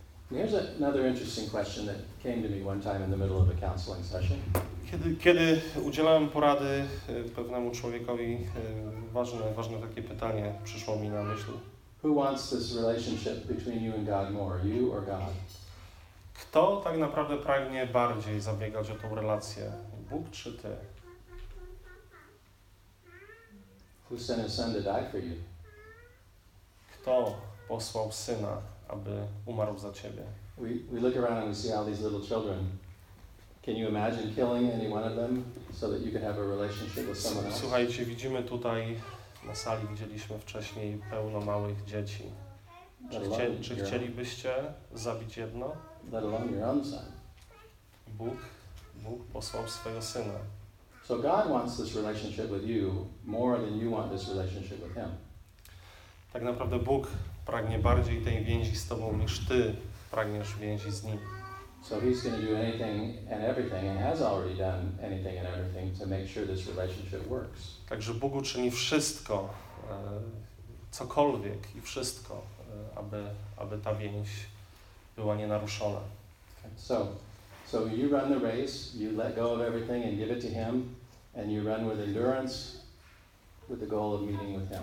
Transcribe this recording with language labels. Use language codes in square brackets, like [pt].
[en] Here's another interesting question that came to me one time in the middle of a counseling session. [pl] Kiedy udzielałem porady pewnemu człowiekowi, ważne takie pytanie przyszło mi na myśl. [en] Who wants this relationship between you and God more, you or God? [pl] Kto tak naprawdę pragnie bardziej zabiegać o tą relację, Bóg czy ty? [en] Who sent his son to die for you? [pl] Kto posłał syna, aby umarł za ciebie? [en] We look around and we see all these little children. Can you imagine killing any one of them so that you could have a relationship with someone else? [pl] Słuchajcie, widzimy tutaj na sali, widzieliśmy wcześniej pełno małych dzieci. Czy chcielibyście zabić jedno? [en] Let alone your own son. [pl] Bóg posłał swojego syna. [en] So God wants this relationship with you more than you want this relationship with him. [pl] Tak naprawdę Bóg pragnie bardziej tej więzi z tobą niż ty pragniesz więzi z nim. [en] So he's going to do anything and everything and has already done anything and everything to make sure this relationship works. [pl] Także Bóg uczyni wszystko, cokolwiek i wszystko, aby ta więź była nienaruszona. [en] So you run the race, you let go of everything and give it to him, and you run with endurance with the goal of meeting with him.